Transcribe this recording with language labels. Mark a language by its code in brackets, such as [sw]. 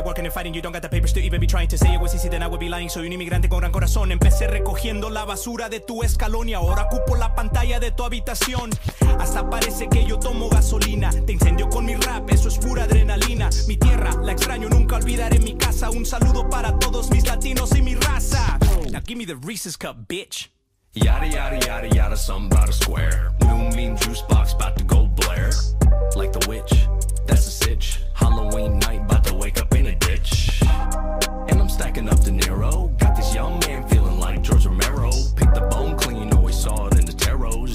[en] fighting. You don't got the papers to even be trying to say it was easy, then I would be lying. [es] Soy un inmigrante con gran corazón. Empecé recogiendo la basura de tu escalón y ahora ocupo la pantalla de tu habitación. Hasta parece que yo tomo gasolina. Te incendio con mi rap, eso es pura adrenalina. Mi tierra, la extraño, nunca olvidaré mi casa. Un saludo para todos mis latinos y mi raza. [en] Now give me the Reese's Cup, bitch. Yada, yada, yada, yada, something about a square. New mean juice box, about to go Blair. Like the witch, that's a sitch. Halloween night, about to wake up in a ditch. And I'm stacking up De Niro. Got this young man feeling like George Romero. Pick the bone clean, always saw it in the tarot.